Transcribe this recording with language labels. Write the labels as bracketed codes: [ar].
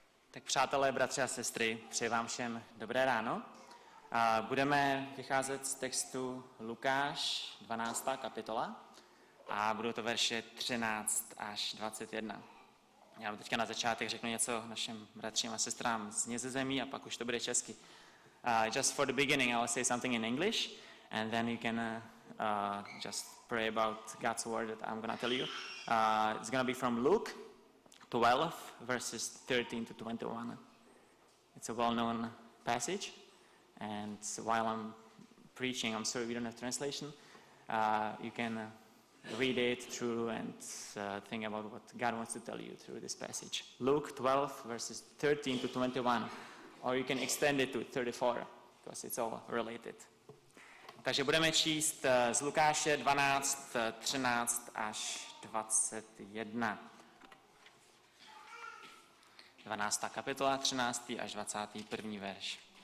[cs] Tak přátelé, bratři a sestry, přeji vám všem dobré ráno. Budeme vycházet z textu Lukáš, 12. kapitola, a budou to verše 13 až 21. Já teďka na začátek řeknu něco našim bratřím a sestrám z Nizozemí a pak už to bude česky. [en] Just for the beginning, I'll say something in English, and then you can just pray about God's word that I'm going to tell you. It's going to be from Luke 12, verses 13 to 21. It's a well-known passage, and so while I'm preaching, I'm sorry we don't have translation, you can read it through and think about what God wants to tell you through this passage. Luke 12, verses 13 to 21, or you can extend it to 34, because it's all related. [cs] Takže budeme číst z Lukáše 12, 13 až 21. 12. kapitola, 13. až 21. verš.